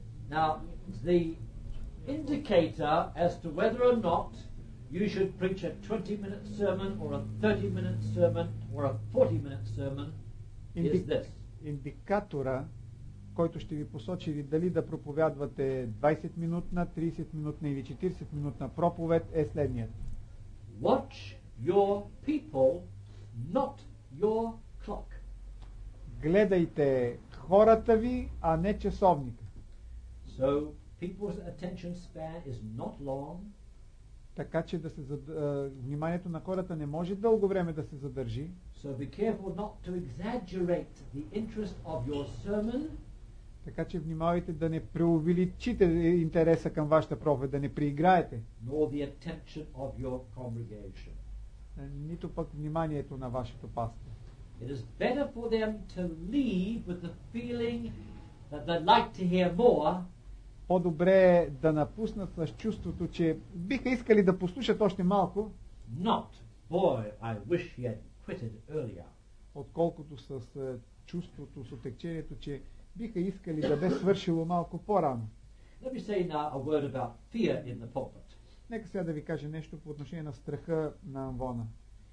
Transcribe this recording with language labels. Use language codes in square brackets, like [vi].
[en] Now, the indicator as to whether or not you should preach a 20-minute sermon or a 30-minute sermon or a 40-minute sermon is this. [bg] Индикатора, който ще ви посочи дали да проповядвате 20-минутна, 30-минутна или 40-минутна проповед е следният. [en] Watch your people, not your clock. [bg] Гледайте хората ви, а не часовника. [en] So people's attention span is not long. [bg] Така че да се вниманието на хората не може дълго време да се задържи. [en] So be careful not to exaggerate the interest of your sermon. [bg] Така че внимавайте да не преувеличите интереса към вашата проповед, да не преиграете. [en] Nor the attention of your congregation. [bg] Нито пък вниманието на вашето пастор. [en] It is better for them to leave with the feeling that they'd like to hear more. [bg] По-добре е да напуснат с чувството, че биха искали да послушат още малко. [en] Not, boy, I wish he had quitted earlier. [bg] Отколкото с чувството, с отекчението, че биха искали да бе свършило малко по-рано. [en] Let me say now a word about fear in the pulpit. [bg] Нека сега да ви кажа нещо по отношение на страха на амвона.